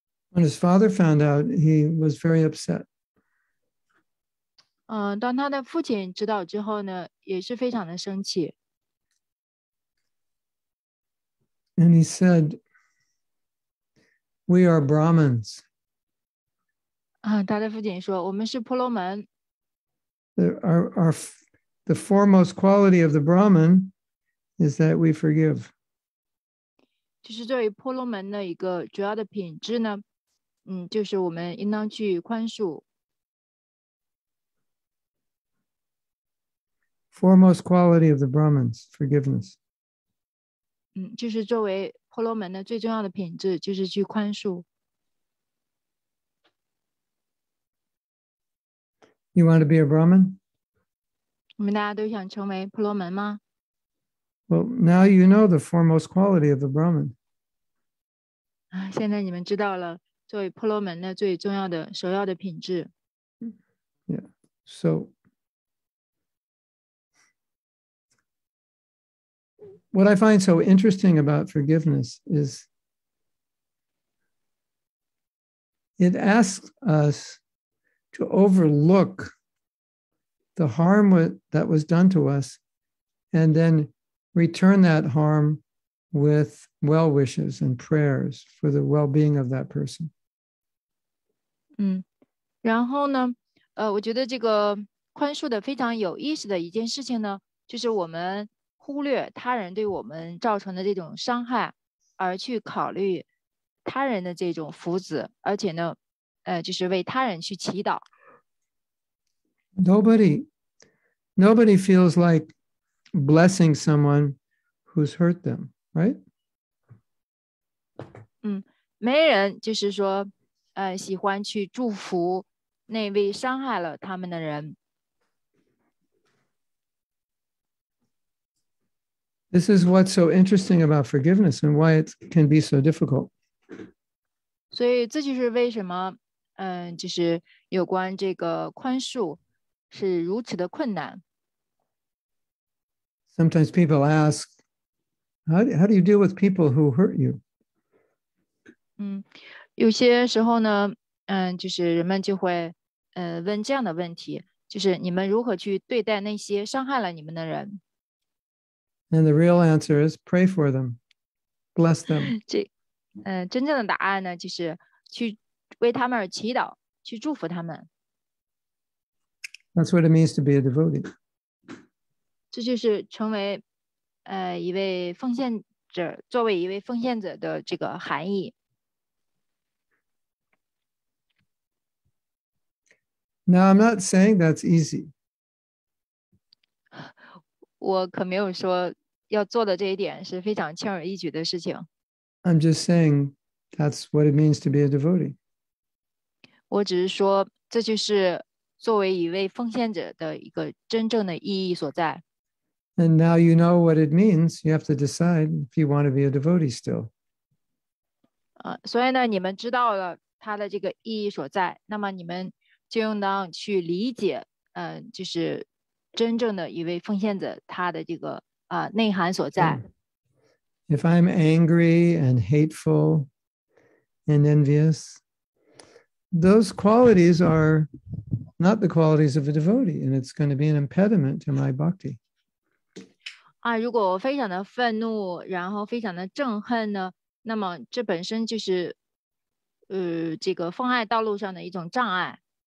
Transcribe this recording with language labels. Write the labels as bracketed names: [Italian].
[English] When his father found out, he was very upset. [Chinese] 当他的父亲知道之后呢，也是非常的生气。 [English] And he said,We are Brahmins. [Chinese] 他的父亲说，我们是婆罗门。 [English] The foremost quality of the Brahmin is that we forgive. [Chinese] 就是作为婆罗门的一个主要的品质呢，就是我们应当去宽恕。 [English] Foremost quality of the Brahmins, forgiveness. [Chinese] 就是作为婆罗门的最重要的品质就是去宽恕。 [English] You want to be a Brahmin? [Chinese] 我们大家都想成为婆罗门吗？ [English] Well, now you know the foremost quality of the Brahmin. [Chinese] 现在你们知道了作为婆罗门的最重要的首要的品质。 [English] Yeah, so... What I find so interesting about forgiveness is it asks us to overlook the harm that was done to us and then return that harm with well wishes and prayers for the well-being of that person. [Chinese] 然后呢，我觉得这个宽恕的非常有意思的一件事情呢，就是我们忽略他人对我们造成的这种伤害，而去考虑他人的这种福祉，而且呢，就是为他人去祈祷。 [English] Nobody feels like blessing someone who's hurt them, right? [Chinese] 没人就是说，喜欢去祝福那位伤害了他们的人。 [English] This is what's so interesting about forgiveness and why it can be so difficult. [Chinese] 所以这就是为什么就是有关这个宽恕是如此的困难。 [English] Sometimes people ask, how do you deal with people who hurt you? [Chinese] 有些时候呢，就是人们就会问这样的问题，就是你们如何去对待那些伤害了你们的人？ [English] And the real answer is pray for them, bless them. [Chinese] 真正的答案呢，就是去为他们而祈祷，去祝福他们。 [English] That's what it means to be a devotee. [Chinese] 这就是成为一位奉献者，作为一位奉献者的这个含义。 [English] Now, I'm not saying that's easy. [Chinese] 我可没有说要做的这一点是非常轻而易举的事情。 [English] I'm just saying that's what it means to be a devotee. [Chinese] 我只是说这就是作为一位奉献者的一个真正的意义所在。 [English] And now you know what it means. You have to decide if you want to be a devotee still. [Chinese] 所以呢，你们知道了它的这个意义所在，那么你们就应当去理解，就是真正的一位奉献者他的这个内涵所在。 [English] If I'm angry and hateful and envious, those qualities are not the qualities of a devotee, and it's going to be an impediment to my bhakti. [Chinese] 如果我非常的愤怒，然后非常的憎恨呢，那么这本身就是，这个奉爱道路上的一种障碍。